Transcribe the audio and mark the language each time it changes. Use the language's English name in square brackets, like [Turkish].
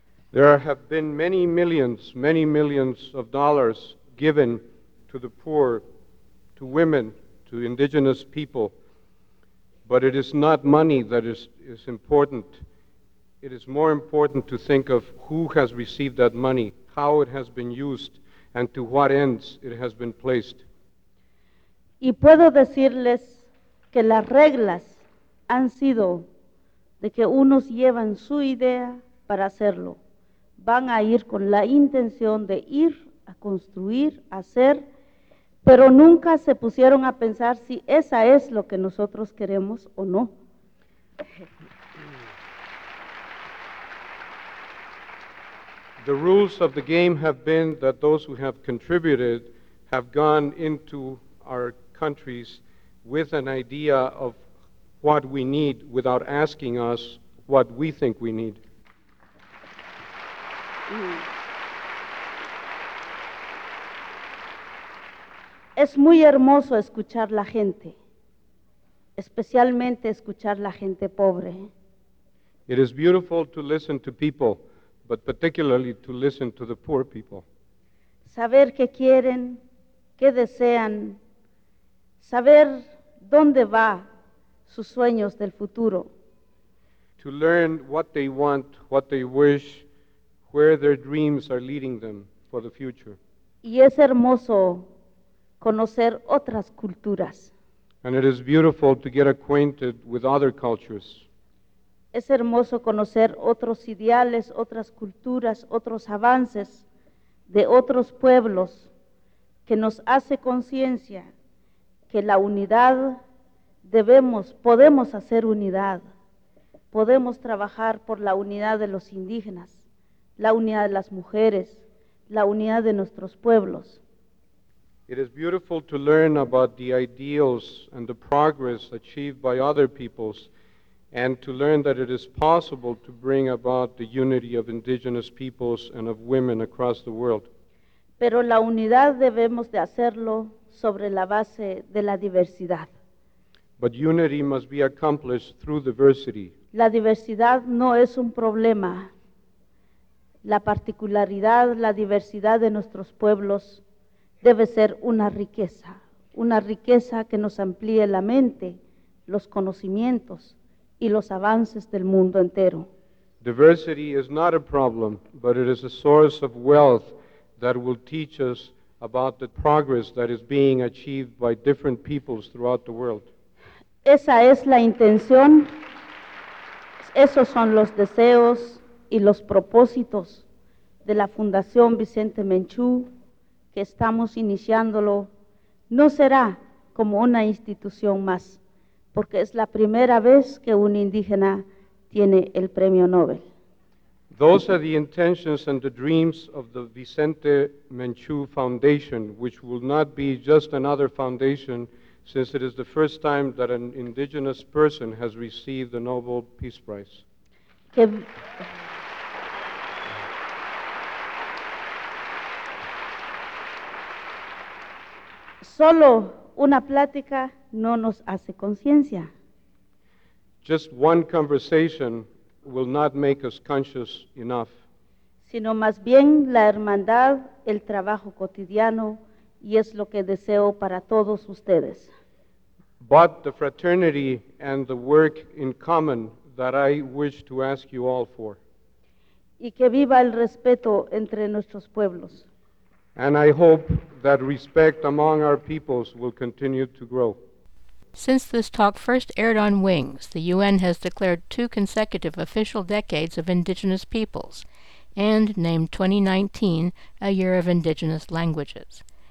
[English] There have been many millions of dollars given to the poor, to women, to indigenous people. But it is not money that is important. It is more important to think of who has received that money, how it has been used, and to what ends it has been placed. [Spanish] Y puedo decirles que las reglas han sido de que unos llevan su idea para hacerlo. Van a ir con la intención de ir a construir, a hacer, pero nunca se pusieron a pensar si esa es lo que nosotros queremos o no. [English] The rules of the game have been that those who have contributed have gone into our countries with an idea of what we need without asking us what we think we need. [Spanish] Es muy hermoso escuchar la gente, especialmente escuchar la gente pobre. [English] It is beautiful to listen to people, but particularly to listen to the poor people. [Spanish] Saber qué quieren, qué desean, saber dónde va sus sueños del futuro. [English] To learn what they want, what they wish, where their dreams are leading them for the future. [Spanish] Y es hermoso conocer otras culturas. [English] And it is beautiful to get acquainted with other cultures. [Spanish] Es hermoso conocer otros ideales, otras culturas, otros avances de otros pueblos que nos hace conciencia que la unidad debemos, podemos hacer unidad. Podemos trabajar por la unidad de los indígenas, la unidad de las mujeres, la unidad de nuestros pueblos. [English] It is beautiful to learn about the ideals and the progress achieved by other peoples, and to learn that it is possible to bring about the unity of indigenous peoples and of women across the world. [Spanish] Pero la unidad debemos de hacerlo sobre la base de la diversidad. [English] But unity must be accomplished through diversity. [Spanish] La diversidad no es un problema. La particularidad, la diversidad de nuestros pueblos debe ser una riqueza que nos amplíe la mente, los conocimientos y los avances del mundo entero. [English] Diversity is not a problem, but it is a source of wealth that will teach us about the progress that is being achieved by different peoples throughout the world. [Spanish] Esa es la intención, esos son los deseos y los propósitos de la Fundación Vicente Menchú, que estamos iniciándolo. No será como una institución más, porque es la primera vez que un indígena tiene el premio Nobel. [English] Those are the intentions and the dreams of the Vicente Menchú Foundation, which will not be just another foundation, since it is the first time that an indigenous person has received the Nobel Peace Prize. [Spanish] Solo una plática no nos hace conciencia. [English] Just one conversation will not make us conscious enough. [Spanish] Sino más bien la hermandad, el trabajo cotidiano, y es lo que deseo para todos ustedes. [English] But the fraternity and the work in common that I wish to ask you all for. [Spanish] Y que viva el respeto entre nuestros pueblos. [English] And I hope that respect among our peoples will continue to grow. Since this talk first aired on Wings, the UN has declared two consecutive official decades of Indigenous peoples and named 2019 a year of Indigenous languages.